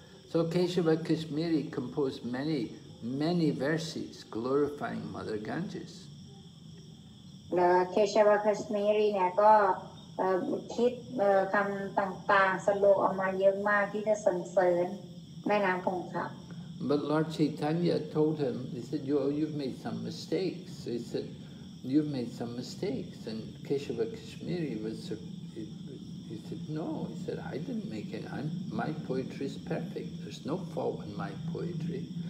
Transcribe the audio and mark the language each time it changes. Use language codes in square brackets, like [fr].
[en] So Keshava Kashmiri composed many, many verses glorifying Mother Ganges. [th] Keshava Kashmiri เนี่ยก็คิดคำต่างๆสโลออกมาเยอะมากที่จะสรรเสริญแม่น้ำคงคา [en] But Lord Chaitanya told him, he said, you've made some mistakes. He said, you've made some mistakes. And Keshava Kashmiri was, he said, no. He said, I didn't make it. My poetry is perfect. There's no fault in my poetry.